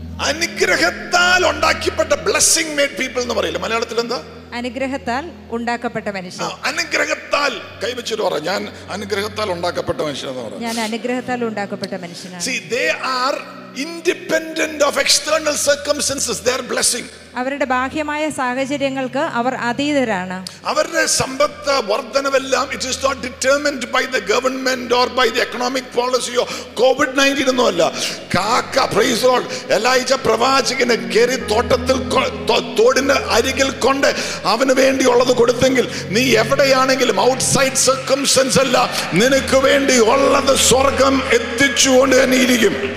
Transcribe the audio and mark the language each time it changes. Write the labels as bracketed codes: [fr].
[ml] അനുഗ്രഹത്താൽ ഉണ്ടാക്കിപ്പെട്ട [en] blessing made people [ml] എന്ന് പറയില്ലേ മലയാളത്തിൽ? എന്താ അനുഗ്രഹത്താൽ ഉണ്ടാക്കപ്പെട്ട മനുഷ്യൻ? അനുഗ്രഹത്താൽ കൈവച്ചിട്ട് പറ, ഞാൻ അനുഗ്രഹത്താൽ ഉണ്ടാക്കപ്പെട്ട മനുഷ്യനെന്ന് പറയാം. ഞാൻ അനുഗ്രഹത്താൽ ഉണ്ടാക്കപ്പെട്ട മനുഷ്യനാണ്. [en] See, they are independent of external circumstances, their blessing. [ml] അവരുടെ ബാഹ്യമായ സാഹചര്യങ്ങൾക്ക് അവർ അതീതരാണ്. അവരുടെ സമ്പത്ത് വർദ്ധനവെല്ലാം [en] it is not determined by the government or by the economic policy or COVID-19 [ml] ഒന്നുമല്ല. കാക്ക, [en] praise God, [ml] എലൈജ പ്രവാചകനെ കേറി തോട്ടത്തിൽ തോടിന്റെ അരികിൽ കൊണ്ട് അവന് വേണ്ടിയുള്ളത് കൊടുത്തെങ്കിൽ നീ എവിടെയാണെങ്കിലും [en] outside circumstance [ml] അല്ല, നിനക്ക് വേണ്ടി ഉള്ളത് സ്വർഗം എത്തിച്ചുകൊണ്ട് തന്നെ ഇരിക്കും.